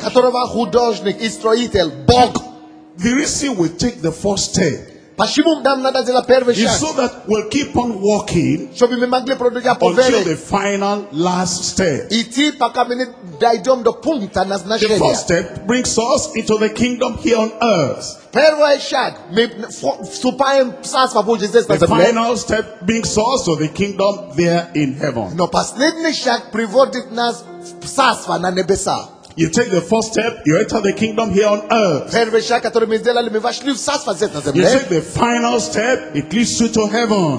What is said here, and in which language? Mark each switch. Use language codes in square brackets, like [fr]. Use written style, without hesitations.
[ru] Которого художник и строитель Бог. [en] The reason we take the first step. [ru] Почему нам надо сделать первый шаг? [en] Is so that we'll keep on walking. [ru] Чтобы мы могли продвигаться по [en] вере. Until the final last step. [ru] Идти пока мы не дойдем до пункта назначения. [en] The first step brings us into the kingdom here on earth. [ru] Первый шаг. [en] The final step brings us to the kingdom there in heaven. [ru] Но последний шаг приводит нас в царство на небеса. [en] You take the first step, you enter the kingdom here on earth. You take the final step, it leads you to heaven.